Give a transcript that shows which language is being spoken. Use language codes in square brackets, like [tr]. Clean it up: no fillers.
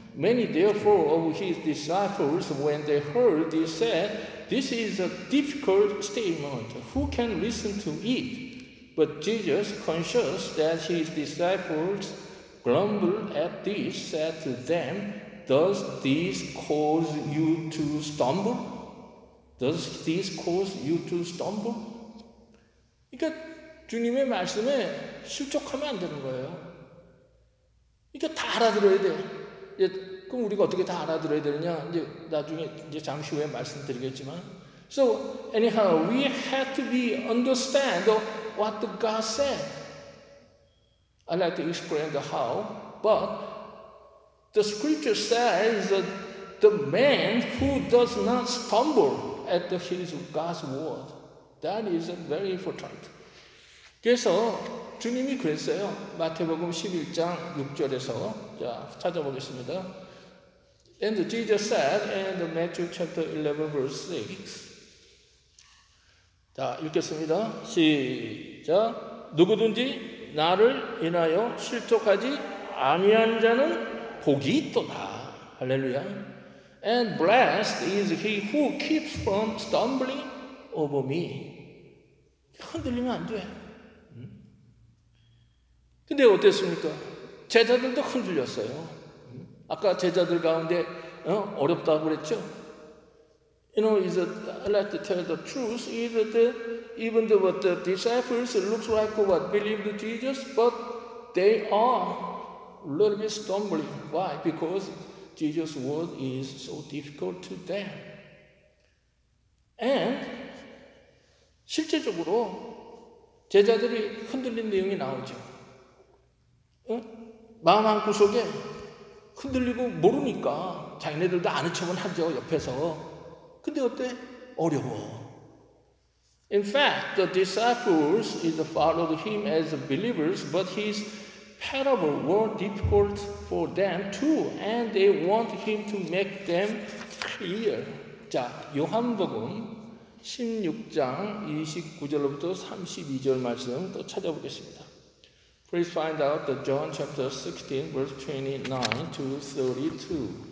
[en] Many therefore of his disciples, when they heard this, said, This is a difficult statement. Who can listen to it? But Jesus, conscious that his disciples grumbled at this, said to them, Does this cause you to stumble? Does this cause you to stumble? [ko] 그러니까 주님의 말씀에 실족하면 안 되는 거예요. 이거 다 알아들어야 돼. 그럼 우리가 어떻게 다 알아들어야 되느냐? 이제 나중에 이제 잠시 후에 말씀드리겠지만. [en] So anyhow, we have to be understand what the God said. I'd like to explain the how, but the scripture says that the man who does not stumble at his God's word, that is very important. [ko] 그래서 주님이 그랬어요. 마태복음 11장 6절에서 자 찾아보겠습니다. [en] And Jesus said in Matthew chapter 11 verse 6. [ko] 자 읽겠습니다. 시작. 누구든지 나를 인하여 실족하지 아니한 자는 복이 있도다. 할렐루야. [en] And blessed is he who keeps from stumbling over me. [ko] 흔들리면 안 돼. 근데 어땠습니까? 제자들도 흔들렸어요. 아까 제자들 가운데 어렵다고 그랬죠? [en] You know, is it, I like to tell the truth, is that even though what the disciples look like what believed Jesus, but they are a little bit stumbling. Why? Because Jesus' word is so difficult to them. [ko] And 실제적으로 제자들이 흔들린 내용이 나오죠. 마음 한 구석에 흔들리고 모르니까 자기네들도 아는 척은 하죠 옆에서. 근데 어때? 어려워. [en] In fact, the disciples is followed him as believers, but his parable were difficult for them too, and they want him to make them clear. [ko] 자, 요한복음 16장 29절부터 32절 말씀 또 찾아보겠습니다. [en] Please find out the John chapter 16, verse 29 to 32.